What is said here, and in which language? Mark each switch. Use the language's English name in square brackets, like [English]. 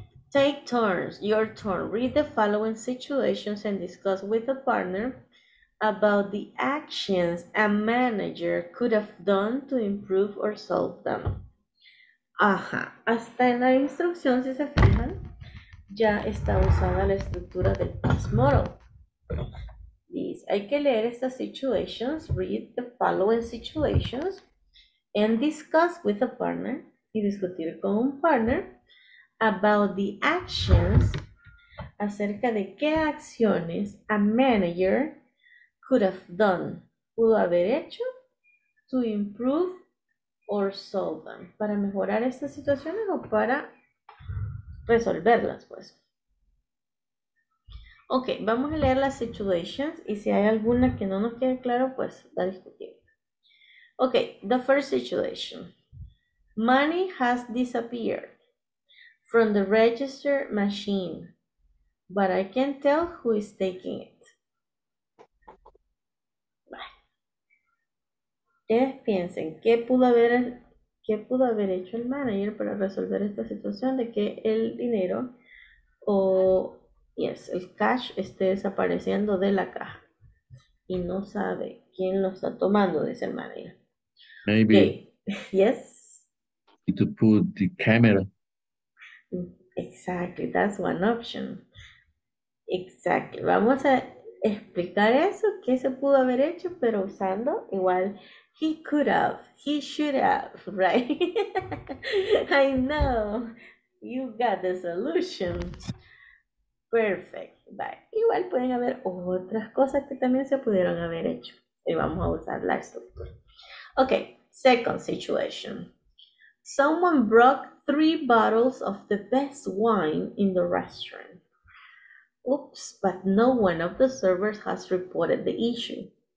[English] Take turns, your turn. Read the following situations and discuss with a partner about the actions a manager could have done to improve or solve them. Ajá. [Spanish] Hasta en la instrucción, si se fijan, ya está usada la estructura del past model. Dice, hay que leer estas situations, [English] read the following situations, and discuss with a partner, [Spanish] y discutir con un partner, [English] about the actions, [Spanish] acerca de qué acciones [English] a manager could have done, [Spanish] pudo haber hecho, [English] to improve or solve them. [Spanish] Para mejorar estas situaciones o para resolverlas, pues. Ok, vamos a leer las situations y si hay alguna que no nos quede claro, pues la discutimos. [English] Ok, the first situation. Money has disappeared from the register machine, but I can't tell who is taking it. [Spanish] ¿Ustedes piensen qué pudo haber hecho el manager para resolver esta situación de que el dinero o el cash esté desapareciendo de la caja y no sabe quién lo está tomando, dice el manager? [English] Maybe. Okay. Yes. To put the camera. Exactly, that's one option. Exactly. [Spanish] Vamos a explicar eso, qué se pudo haber hecho, pero usando igual. [English] He could have, he should have, right? I know, you got the solution. Perfect, bye. [Spanish] Igual pueden haber otras cosas que también se pudieron haber hecho. Y vamos a usar la estructura. [English] Okay, second situation. Someone broke 3 bottles of the best wine in the restaurant. Oops, but no one of the servers has reported the issue.